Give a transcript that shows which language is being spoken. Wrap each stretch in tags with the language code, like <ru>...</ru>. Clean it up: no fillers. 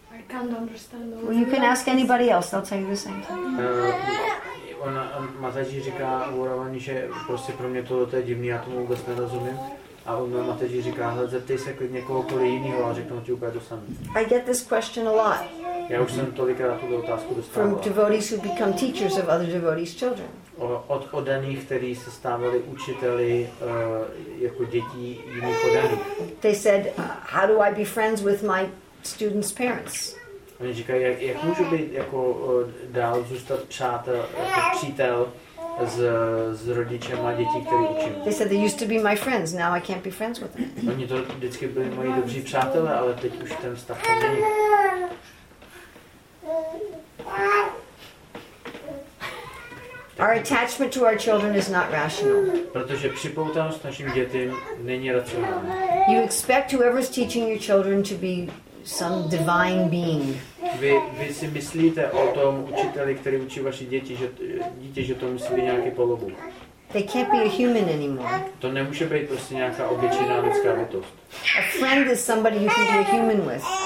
<en>Well, you can ask anybody else, they'll tell you the same thing.</en> <cs>Ona Mataji říká Uravani, že prostě pro mě tohle je divný, já tomu vůbec nerozumím. A ona Mataji říká, hled, zeptej se klidně kohokoliv jiného a řeknu ti úplně to samé.</cs> <en>I get this question a lot.</en> <cs>Já už jsem tolikrát tuto otázku dostával.</cs> <en>From devotees who become teachers of other devotees' children.</en> <cs>Od odaných, kteří se stávali učiteli jako dětí jiných odaných.</cs> <en>They said, how do I be friends with my students' parents?</en> <cs>Oni říkají, jak můžu být jako dál zůstat přátel, jako přítel s rodičema dětí, které učím.</cs> <en>They said they used to be my friends, now I can't be friends with them.</en> <cs>Oni to vždycky byli moji dobří přátelé, ale teď už ten vztah není.</cs> <en>Okay. Our attachment to our children is not rational.</en> <cs>Protože připoutanost našim dětem není racionální.</cs> <en>You expect whoever's teaching your children to be some divine being.</en> <cs>Vy si myslíte o tom učiteli, který učí vaše děti, že to musí být nějaký polobůh.</cs> <en>They can't be a human anymore.</en> <cs>To nemůže být prostě nějaká obyčejná lidská bytost.</cs> <en>A friend is somebody you can be a human with.</en>